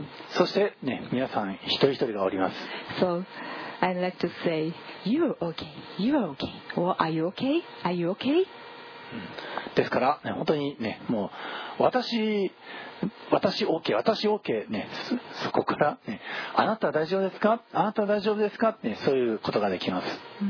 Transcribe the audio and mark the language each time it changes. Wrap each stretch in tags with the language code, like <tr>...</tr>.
<ja>そしてね、皆さん一人一人がおります。</ja> <en>So I'd like to say you're okay. You're okay. Or are you okay? Are you okay?</en> <ja>ですから、ね、本当に、ね、もう 私 OK、ね、そこから、ね、あなた大丈夫ですか、あなた大丈夫ですか、ね、そういうことができます。</ja>